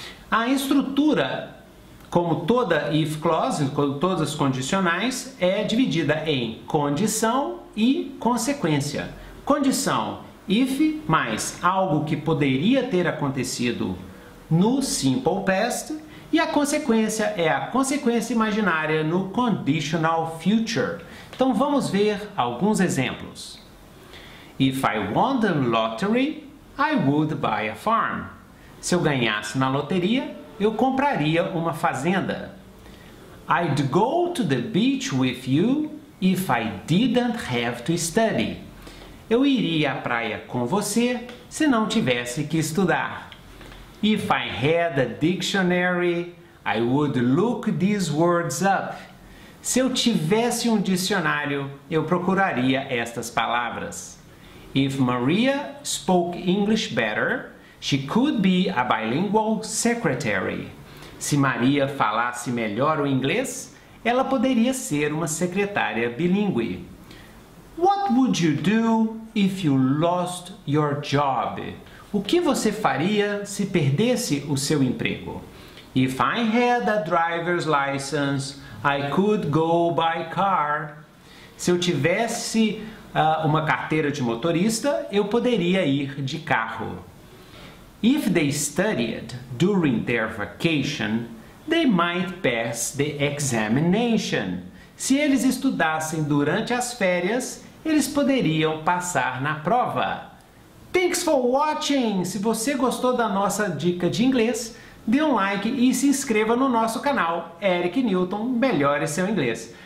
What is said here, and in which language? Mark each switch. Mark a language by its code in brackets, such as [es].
[pt] A estrutura, como toda if clause, como todas as condicionais, é dividida em condição e consequência. Condição, if mais algo que poderia ter acontecido no simple past. E a consequência é a consequência imaginária no conditional future. Então vamos ver alguns exemplos. [en] If I won the lottery, I would buy a farm. [pt] Se eu ganhasse na loteria, eu compraria uma fazenda. [en] I'd go to the beach with you if I didn't have to study. [pt] Eu iria à praia com você se não tivesse que estudar. [en] If I had a dictionary, I would look these words up. [pt] Se eu tivesse um dicionário, eu procuraria estas palavras. [en] If Maria spoke English better, she could be a bilingual secretary. [pt] Se Maria falasse melhor o inglês, ela poderia ser uma secretária bilíngue. [en] What would you do if you lost your job? [pt] O que você faria se perdesse o seu emprego? [en] If I had a driver's license, I could go by car. [pt] Se eu tivesse uma carteira de motorista, eu poderia ir de carro. [en] If they studied during their vacation, they might pass the examination. [pt] Se eles estudassem durante as férias, eles poderiam passar na prova. [en] Thanks for watching! [pt] Se você gostou da nossa dica de inglês, dê um like e se inscreva no nosso canal Eric Newton Melhore Seu Inglês.